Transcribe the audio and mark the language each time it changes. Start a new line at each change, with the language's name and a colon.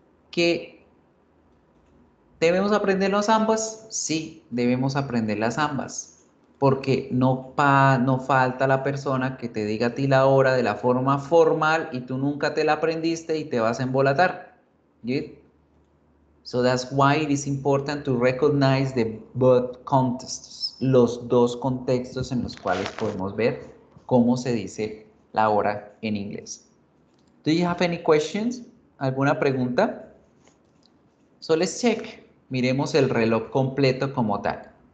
Spanish: ¿Qué? ¿Debemos aprender las ambas? Sí, debemos aprender las ambas. Porque no falta la persona que te diga a ti la hora de la forma formal y tú nunca te la aprendiste y te vas a embolatar. ¿Qué?
English: So that's why it is important to recognize the both contexts.
Spanish: Los dos contextos en los cuales podemos ver cómo se dice la hora en inglés.
English: Do you have any questions?
Spanish: ¿Alguna pregunta?
English: So let's check.
Spanish: Miremos el reloj completo como tal.